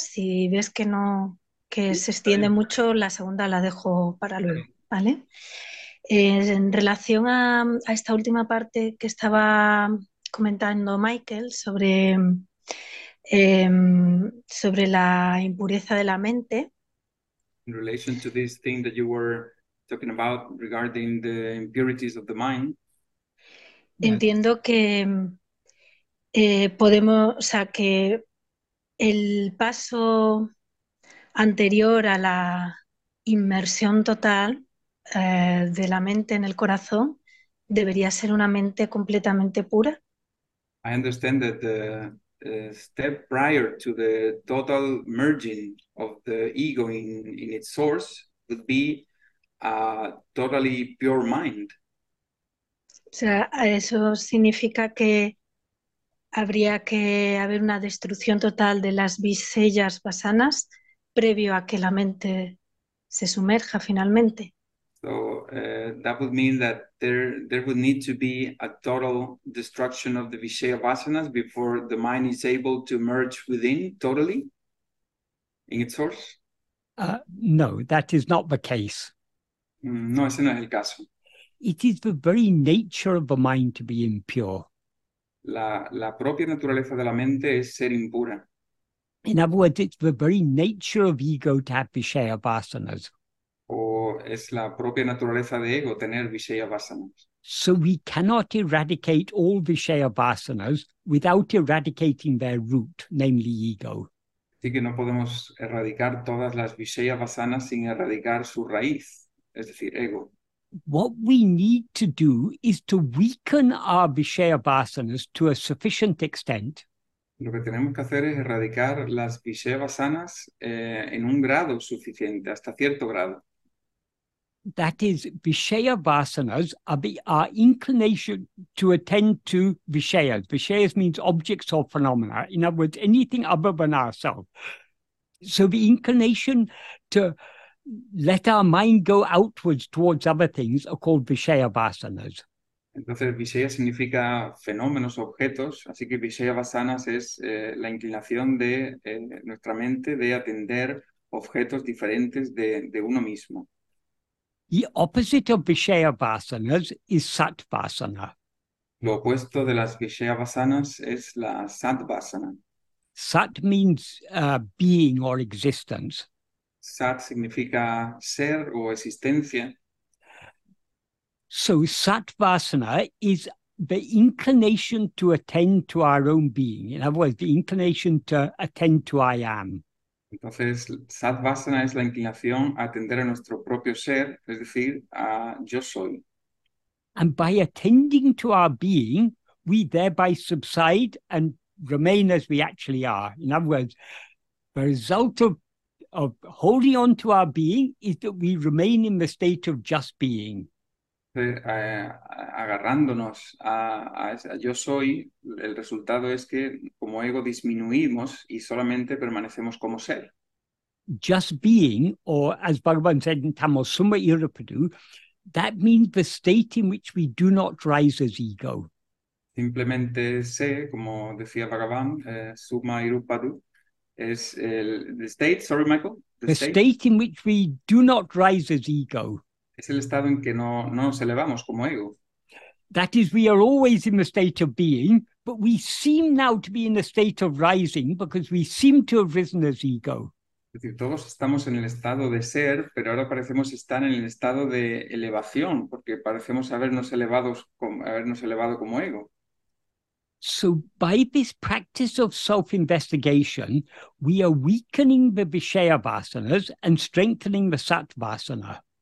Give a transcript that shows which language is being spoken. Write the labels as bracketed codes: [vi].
[es] Si ves que no, que sí, se extiende bien mucho, la segunda la dejo para luego, ¿vale? En relación a esta última parte que estaba comentando Michael sobre, sobre la impureza de la mente. [en] In relation to this thing that you were talking about regarding the impurities of the mind. [es] Entiendo que podemos, o sea, que el paso anterior a la inmersión total de la mente en el corazón debería ser una mente completamente pura. [en] I understand that the step prior to the total merging of the ego in its source would be a totally pure mind. [es] O sea, eso significa que habría que haber una destrucción total de las visellas vasanas previo a que la mente se sumerja finalmente. [en] So that would mean that there would need to be a total destruction of the vishaya vasanas before the mind is able to merge within totally in its source? No, that is not the case. [es] No, ese no es el caso. [en] It is the very nature of the mind to be impure. [es] La propia naturaleza de la mente es ser impura. [en] In other words, it's the very nature of ego to have vishaya vasanas. [es] O es la propia naturaleza de ego tener vishaya vasanas. [en] So we cannot eradicate all vishaya vasanas without eradicating their root, namely ego. [es] Sí que no podemos erradicar todas las viṣeya vasanas sin erradicar su raíz, es decir, ego. [en] What we need to do is to weaken our viṣeya vasanas to a sufficient extent. [es] Lo que tenemos que hacer es erradicar las viṣeya vasanas en un grado suficiente, hasta cierto grado. [en] That is, viṣeya vasanas are inclination to attend to viṣeyas. Viṣeyas means objects or phenomena. In other words, anything other than ourselves. So the inclination to let our mind go outwards towards other things are called viṣeya vasanas. [es] Entonces, viṣeya significa fenómenos, objetos. Así que viṣeya vasanas es la inclinación de nuestra mente de atender objetos diferentes de uno mismo. [en] The opposite of viṣeya vasanas is sat vasana. [es] Lo opuesto de las viṣeya vasanas es la sat vasana. [en] Sat means being or existence. [es] Sat significa ser o existencia. [en] So sat vasana is the inclination to attend to our own being. In other words, the inclination to attend to I am. [es] Entonces, sattvasana es la inclinación a atender a nuestro propio ser, es decir, a yo soy. [en] And by attending to our being, we thereby subside and remain as we actually are. In other words, the result of holding on to our being is that we remain in the state of just being. [es] Agarrándonos a yo soy, el resultado es que como ego disminuimos y solamente permanecemos como ser. [en] Just being, or as Bhagavan said in Tamil, summa irapadu, that means the state in which we do not rise as ego. [es] Simplemente sé, como decía Bhagavan, summa irapadu, es [en] the state, sorry Michael, the state in which we do not rise as ego. [es] Es el estado en que no nos elevamos como ego. [en] That is, we are always in the state of being, but we seem now to be in the state of rising because we seem to have risen as ego. [es] Es decir, todos estamos en el estado de ser, pero ahora parecemos estar en el estado de elevación, porque parecemos habernos elevado como ego. [en] So by this practice of self-investigation, we are weakening the viṣeya vasanas and strengthening the sat vasana.